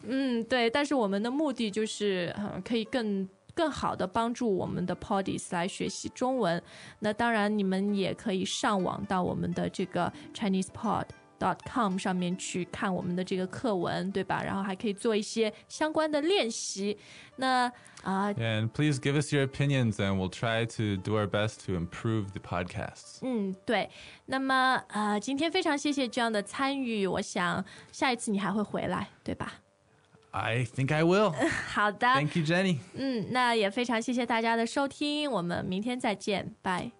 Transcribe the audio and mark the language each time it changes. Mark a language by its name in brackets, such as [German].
[Chinese] 嗯，对，但是我们的目的就是可以更好的帮助我们的 Podis 来学习中文。那当然你们也可以上网到我们的这个 ChinesePod.com 上面去看我们的这个课文，对吧？然后还可以做一些相关的练习。那 [English] And please give us your opinions and we'll try to do our best to improve the podcast. [Chinese] 嗯，对。那么今天非常谢谢 John 的参与，我想下一次你还会回来，对吧？ [English] I think I will. [Chinese] 好的。 [English] Thank you, Jenny. [Chinese] 嗯，那也非常谢谢大家的收听，我们明天再见，拜。